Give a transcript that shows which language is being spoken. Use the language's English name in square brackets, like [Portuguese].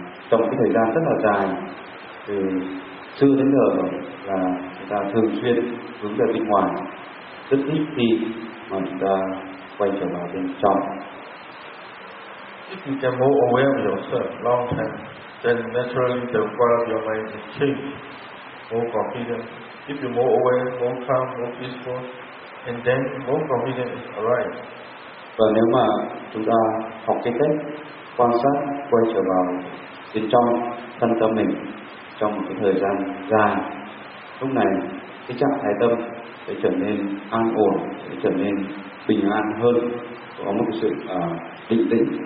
[Vietnamese] Trong cái thời gian rất là dài từ xưa đến giờ là chúng ta thường xuyên hướng tới bên ngoài, rất ít khi mà chúng ta quay trở vào bên trong. [English] If you become more aware of yourself long term, then naturally the quality of your mind is changed, more confident. If you're more aware, more calm, more peaceful, and then more confident is arrived. [Vietnamese] Và nếu mà chúng ta học cái cách quan sát, quay trở vào bên trong thân tâm mình trong một cái thời gian dài, lúc này cái trạng thái tâm sẽ trở nên an ổn, sẽ trở nên bình an hơn, có một cái sự định tĩnh.